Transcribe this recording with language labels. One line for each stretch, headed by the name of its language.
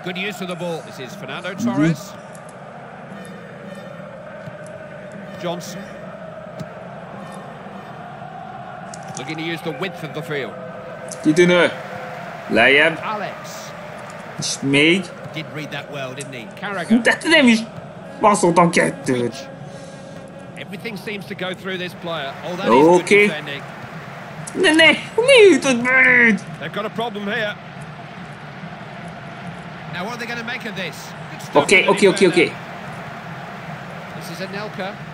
English: Good use of the ball. This is Fernando Torres. Johnson. Looking to use the width of the field.
Hungarian: Kitűnő. Lejjebb.
English: Alex.
Hungarian: És még?
English: Did read that well, didn't he? Carragher.
Hungarian: De nem is passzoltam kettőt.
English: Everything seems to go through this player. Oh, that is good defending.
Hungarian: Ne, ne! Mi ütött meg?
English: They've got a problem here. Now, what are they going to make of this? Okay. This is Anelka.